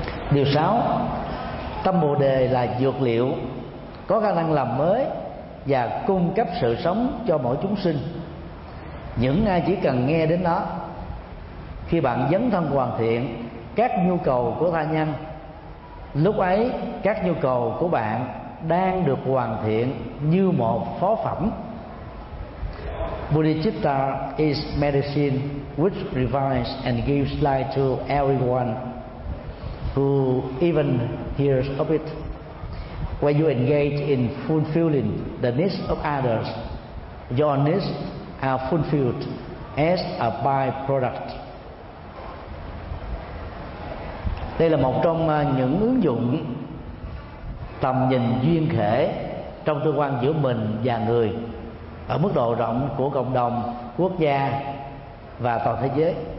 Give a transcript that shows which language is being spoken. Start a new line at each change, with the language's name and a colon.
Vietnamese: Điều 6, tâm bồ đề là dược liệu có khả năng làm mới và cung cấp sự sống cho mỗi chúng sinh. Những ai chỉ cần nghe đến nó, khi bạn dấn thân hoàn thiện các nhu cầu của tha nhân, lúc ấy các nhu cầu của bạn đang được hoàn thiện như một phó phẩm.
English: Bodhicitta is medicine which revives and gives life to everyone who even hears of it. When you engage in fulfilling the needs of others, your needs are fulfilled as a byproduct.
Vietnamese: Đây là một trong những ứng dụng tầm nhìn duyên khể trong tương quan giữa mình và người ở mức độ rộng của cộng đồng, quốc gia và toàn thế giới.